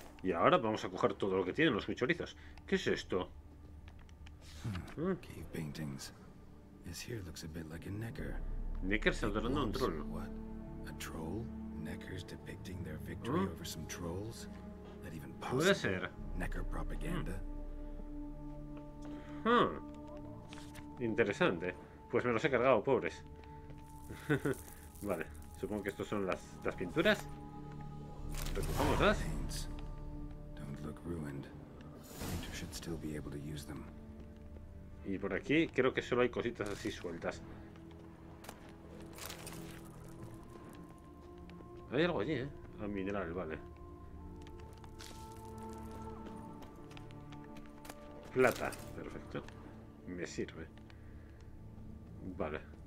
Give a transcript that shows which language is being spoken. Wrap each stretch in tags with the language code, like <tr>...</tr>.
<es>Y ahora vamos a coger todo lo que tienen los chorizos. ¿Qué es esto?</es> <en>Cave paintings. This here looks a bit like a Necker.</en> <es>Necker está adorando a un troll.</es> <en>What? A troll? Necker's depicting their victory over some trolls? That even</en> <es>puede ser.</es> <en>Necker propaganda.</en> <es>Interesante. Pues me los he cargado, pobres. Vale, supongo que estos son las pinturas. Recojámoslas.</es> <en>Don't look ruined. Painter should still be able to use them.</en> <es>Y por aquí creo que solo hay cositas así sueltas. Hay algo allí, ¿eh? Un mineral, vale. Plata, perfecto. Me sirve. Vale.</es>